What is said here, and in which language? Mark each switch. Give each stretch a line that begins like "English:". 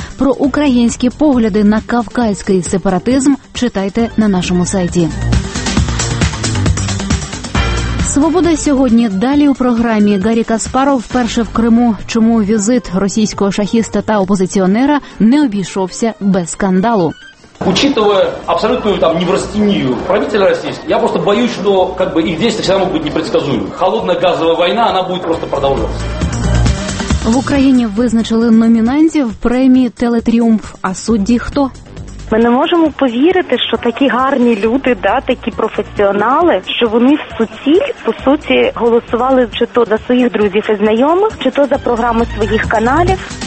Ukrainian: Про українські погляди на кавказький сепаратизм читайте на нашому сайті. Свобода сьогодні. Далі у програмі: Гарі Каспаров вперше в Криму. Чому візит російського шахіста та опозиціонера не обійшовся без скандалу?
Russian: Учитывая абсолютную там неврастению правителя российского, я просто боюсь, что как бы их действия всегда могут быть непредсказуемы. Холодная газовая война, она будет просто продолжаться.
Ukrainian: В Украине визначили номінантів премії «Телетріумф». А судді хто? Ми не можемо повірити, що такі гарні люди, да, такі професіонали, що вони в суті, по суті, голосували чи то за своїх друзів і знайомих, чи то за програми своїх каналів.